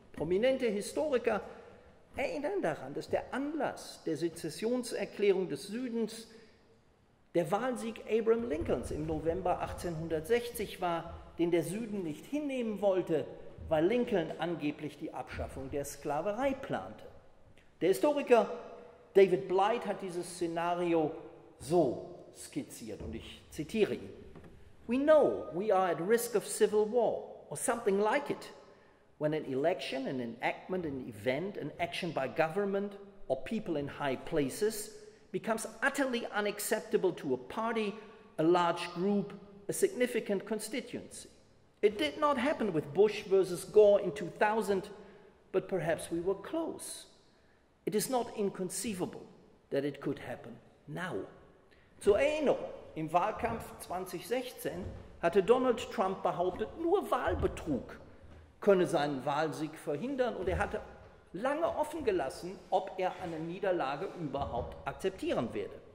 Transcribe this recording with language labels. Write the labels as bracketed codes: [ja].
[de] Prominente Historiker erinnern daran, dass der Anlass der Sezessionserklärung des Südens der Wahlsieg Abraham Lincolns im November 1860 war, den der Süden nicht hinnehmen wollte, weil Lincoln angeblich die Abschaffung der Sklaverei plante. Der Historiker David Blight hat dieses Szenario so skizziert und ich zitiere ihn. [en] We know we are at risk of civil war or something like it when an election, an enactment, an event, an action by government or people in high places becomes utterly unacceptable to a party, a large group, a significant constituency. It did not happen with Bush versus Gore in 2000, but perhaps we were close. It is not inconceivable that it could happen now. [de] Zur Erinnerung, im Wahlkampf 2016 hatte Donald Trump behauptet, nur Wahlbetrug könne seinen Wahlsieg verhindern und er hatte lange offen gelassen, ob er eine Niederlage überhaupt akzeptieren werde.